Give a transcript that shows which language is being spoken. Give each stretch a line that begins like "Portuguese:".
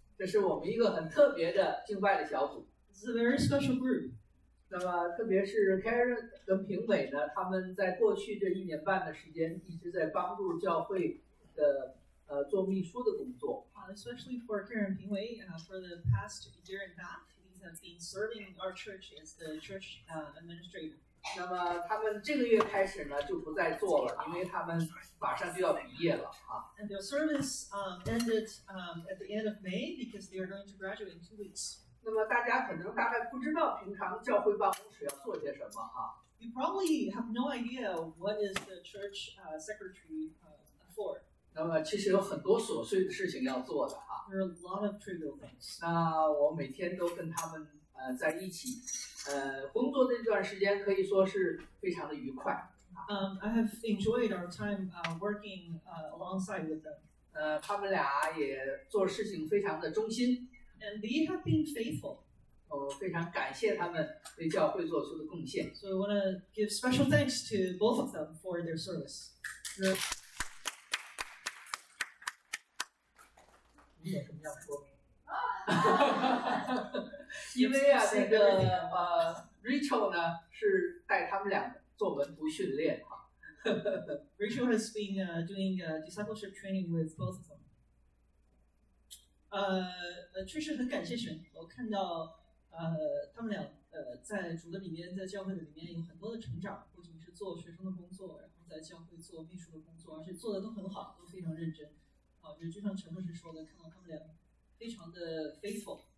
Chinese: 这是我们一个很特别的敬拜的小组。
English: It's a very special group.
Chinese: 那么特别是 Karen 跟评委呢，他们在过去这一年半的时间一直在帮助教会的做秘书的工作。
English: Especially for Karen 评委for the past year and a half, he has been serving our church as the church administrator.
Chinese: 那么他们这个月开始呢就不再做了，因为他们马上就要毕业了啊。
English: And their service ended at the end of May because they are going to graduate in 2 weeks.
Chinese: 那么大家可能大概不知道平常教会办公室要做些什么啊。
English: You probably have no idea what is the church secretary for.
Chinese: 那么其实有很多琐碎的事情要做的啊。
English: There are a lot of trivial things.
Chinese: 那我每天都跟他们在一起。工作那段时间可以说是非常的愉快。
English: I have enjoyed our time working alongside with them.
Chinese: 他们俩也做事情非常的忠心。
English: And they have been faithful.
Chinese: 我非常感谢他们为教会做出的贡献。
English: So I want to give special thanks to both of them for their service.
Chinese: 你有什么要说？因为啊，那个Rachel 呢是带他们俩做门徒训练啊。
English: Rachel has been doing discipleship training with both of them.
Chinese: 确实很感谢神，我看到他们俩在主的里面，在教会的里面有很多的成长，不仅是做学生的工作，然后在教会做秘书的工作，而且做的都很好，都非常认真。好，就像陈牧师说的，看到他们俩非常的 faithful。